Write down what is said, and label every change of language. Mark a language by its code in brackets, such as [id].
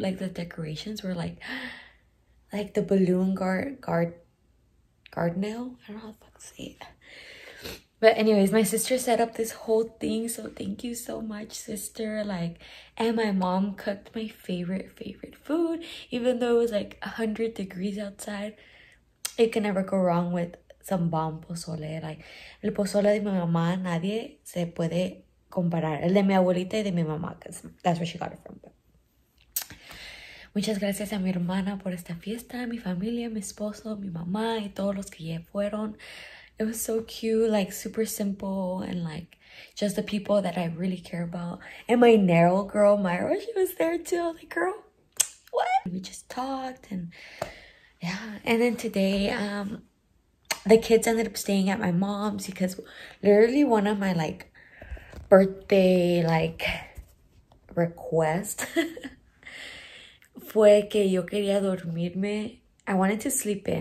[en] Like the decorations were like the balloon guard nail. I don't know how to say it. But anyways, my sister set up this whole thing. So thank you so much, sister. Like, and my mom cooked my favorite food. Even though it was like 100 degrees outside. It can never go wrong with some bomb pozole. [es] Like, el pozole de mi mamá, nadie se puede comparar. El de mi abuelita y de mi mamá. [en] Because that's where she got it from. [es] But. Muchas gracias a mi hermana por esta fiesta. Mi familia, mi esposo, mi mamá y todos los que ya fueron. [en] It was so cute, like super simple, and like just the people that I really care about. And my narrow girl, Myra, she was there too. Like, girl, what? We just talked and yeah. And then today, the kids ended up staying at my mom's because literally one of my like birthday like requests [es] fue que yo quería dormirme. [en] I wanted to sleep in.